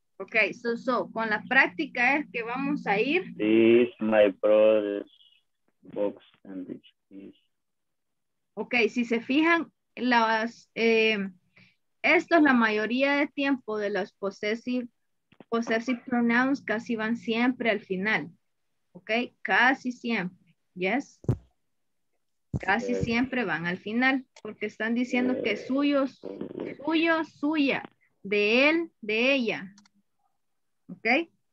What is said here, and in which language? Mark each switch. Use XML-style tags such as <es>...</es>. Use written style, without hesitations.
<es>Okay, so, con la práctica es que vamos a ir.</es> <en>This is my brother's box and this is.</en> <es>Okay, si se fijan, las, esto es la mayoría de tiempo de los possessive pronouns casi van siempre al final. Okay, casi siempre. Yes. Casi siempre van al final porque están diciendo que suyo, suya, de él, de ella. Okay.</es>